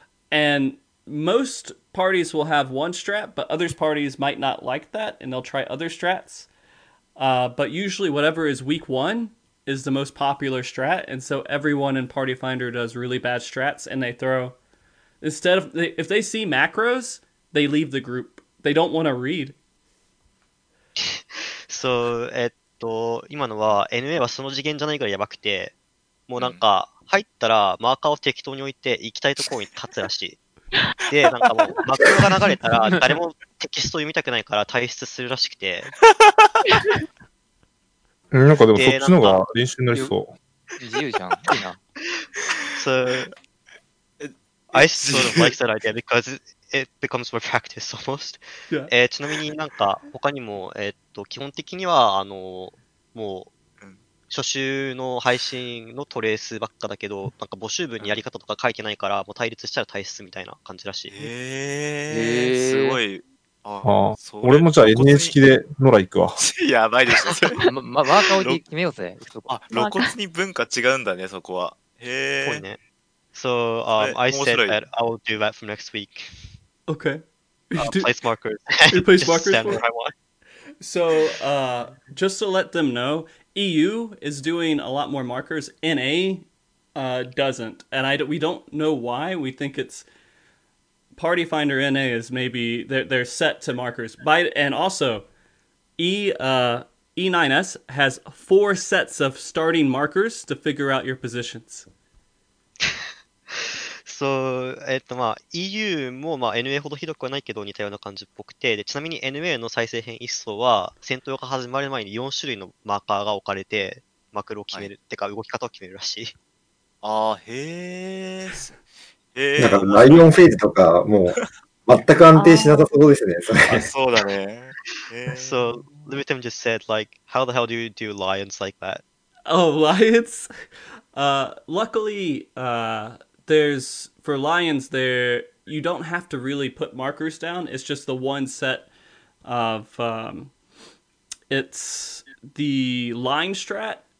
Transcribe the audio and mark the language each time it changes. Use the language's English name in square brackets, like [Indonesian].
[English] And most parties will have one strat, but others parties might not like that and they'll try other strats. But usually whatever is week one is the most popular strat, and so everyone in Party Finder does really bad strats, and they throw... if they see macros, they leave the group. They don't want to read. [Japanese] So, 今のは NA はその次元じゃないからやばくて、もうなんか入ったらマーカーを適当に置いて行きたいところに立つらしい。で、なんかもうマクロが流れたら誰もテキスト読みたくないから退出するらしくて。なんかでもそっちの方が練習になりそう。自由じゃん。いいな。 [English] So, I sort of like that idea because it becomes more practice almost. Yeah. [Japanese] ちなみになんか他にも、基本的にはもう初週の配信のトレースばっかだけど、なんか募集文にやり方とか書いてないから、もう対立したら退出みたいな感じらしい。すごい。ああ俺もじゃあ NH 式でノラ行くわ。やばいでしょ、それ。マーカーを決めようぜ。あ、露骨に文化違うんだね、そこは。へぇー。 [English] ね、so, I said that I will do that from next week. Okay. Place markers. You place markers for it? So, just to let them know, EU is doing a lot more markers. NA doesn't. And we don't know why. We think it's... Party Finder NA is maybe they're set to markers. And also, E9S has four sets of starting markers to figure out your positions. [Japanese] So, EU も NA ほどひどくはないけど似たような感じっぽくて、でちなみに NA の再生編1層は戦闘が始まる前に4種類のマーカーが置かれてマクロを決める、はい、てか動き方を決めるらしい。あー、へーす。なんかライオンフェーズとかもう全く安定しなさそうですね。そうだね。 [English] So, Lubitim just said, like, how the hell do you do lions like that? Oh, lions? Luckily, there's, for lions there, you don't have to really put markers down. It's just the one set of, it's the line strat.